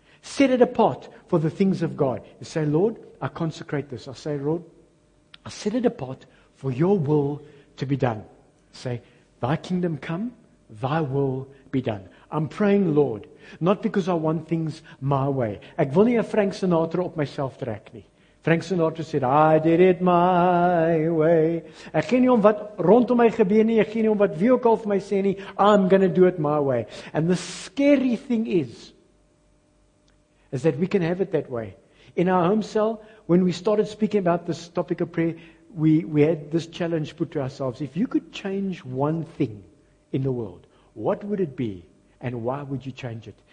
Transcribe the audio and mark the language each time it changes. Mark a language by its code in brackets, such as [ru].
[en] Set it apart for the things of God. You say, Lord, I consecrate this. I say, Lord, I set it apart for Your will to be done. Say, Thy kingdom come, Thy will be done. I'm praying, Lord, not because I want things my way. [af] Ek wil nie 'n [en] Frank Sinatra op myself trek nie. Frank Sinatra said, I did it my way. [af] Ek gee nie om wat rondom my gebeur nie. Ek gee nie om wat wie ook al vir my sê nie. [en] I'm going to do it my way. And the scary thing is that we can have it that way. In our home cell, when we started speaking about this topic of prayer, we had this challenge put to ourselves. If you could change one thing in the world, what would it be and why would you change it?